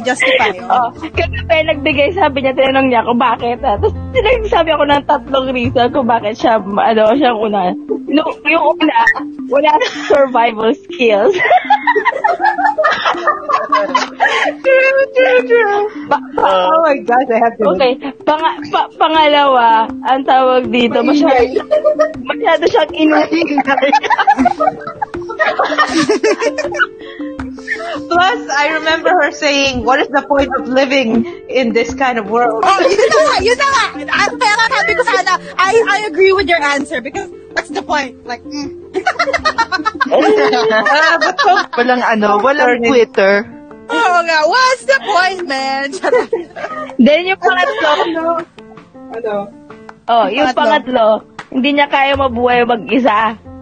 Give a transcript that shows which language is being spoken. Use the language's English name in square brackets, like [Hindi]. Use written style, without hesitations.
[Filipino] Kasi pa yung nagbigay, sabi niya, tinanong niya kung bakit. Tapos sinasabi ako ng tatlong reason kung bakit siya, siya ang una. No, yung una, [English] wala survival skills. True. Oh my gosh, I have to... [Filipino] Okay, pangalawa, ang tawag dito, masyado siyang inuhingay. [English] Plus, I remember her saying, what is the point of living in this kind of world? Oh, I agree with your answer because what's the point? [Filipino] Walang ano, walang Twitter. [English] Oh God, what's the point, man? [Filipino] Then yung pangatlo. Ano? Oh, yung pangatlo, hindi niya kaya mabuhay mag-isa.